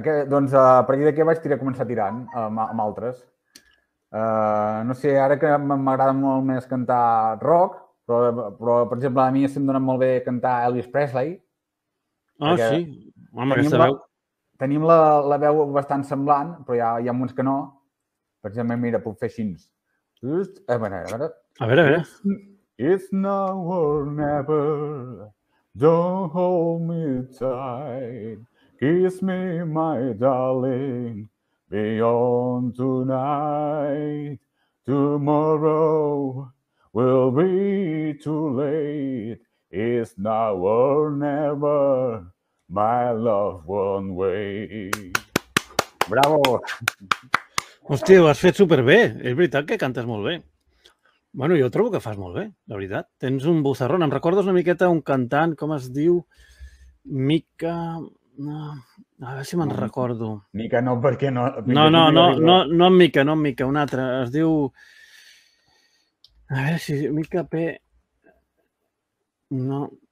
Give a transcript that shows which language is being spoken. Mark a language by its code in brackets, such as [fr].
[ca] Doncs a partir d'aquí vaig començar tirant amb altres. No sé, ara que m'agrada molt més cantar rock, però per exemple, a mi em dona molt bé cantar Elvis Presley. Ah, sí? Home, aquesta veu. Tenim la veu bastant semblant, però hi ha uns que no. Per exemple, mira, puc fer així. A veure. [en] It's now or never, don't hold me tight, kiss me, my darling. Beyond tonight, tomorrow will be too late. It's now or never, my love won't wait. [ca] Bravo! Hòstia, ho has fet superbé. És veritat que cantes molt bé. Bueno, jo trobo que fas molt bé, la veritat. Tens un bozarrón. Em recordes una miqueta un cantant, com es diu? Mica... No, a veure si me'n recordo. Mica no, perquè no... No, en Mica, no en Mica, un altre. Es diu... A veure si... Mica P... No.